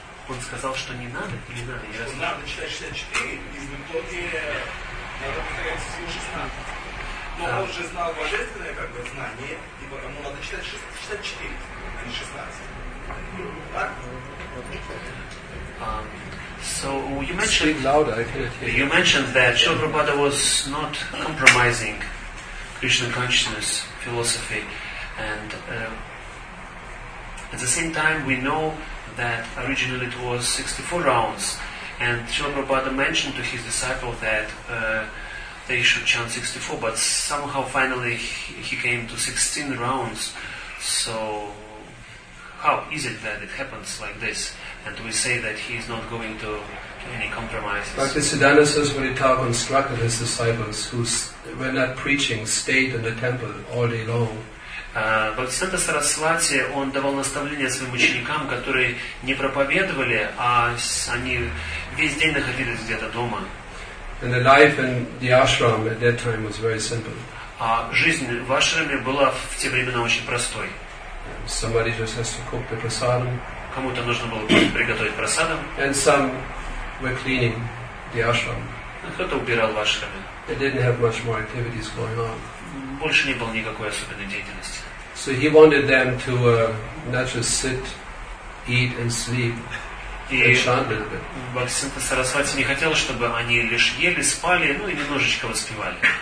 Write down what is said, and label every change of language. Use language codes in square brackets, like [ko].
[ru] Он сказал, что не надо или надо? Что я надо читать 64, и в итоге надо повторять всего 16. Но да. Он же знал божественное как бы знание, и потому надо читать 64, а не 16. Так? [en] So you mentioned that Srila Prabhupada was not compromising Krishna consciousness philosophy, and at the same time we know that originally it was 64 rounds, and Srila Prabhupada mentioned to his disciple that they should chant 64, but somehow finally he came to 16 rounds. So how is it that it happens like this? And we say that he is not going to any compromises. Bhaktisiddhanta says when he talked and struck at his disciples who were not preaching, stayed in the temple all day long. [ru] Bhaktisiddhanta Sarasvati, он давал наставления своим ученикам, которые не проповедовали, а они весь день находились где-то дома. [en] And the life in the ashram at that time was very simple. [ru] А жизнь в ашраме была в те времена очень простой. [en] Somebody just has to cook the prasadam. [ru] Кому-то нужно было приготовить просадом. [en] And some were cleaning the ashram. [ru] Кто-то убирал в ашраме. [en] They didn't have much more activities going on. [ru] Больше не было никакой особенной деятельности. [en] So he wanted them to not just sit eat and sleep. [ru] И Бхактисиддханта Сарасвати не хотел, чтобы они лишь ели, спали, ну и немножечко воспевали.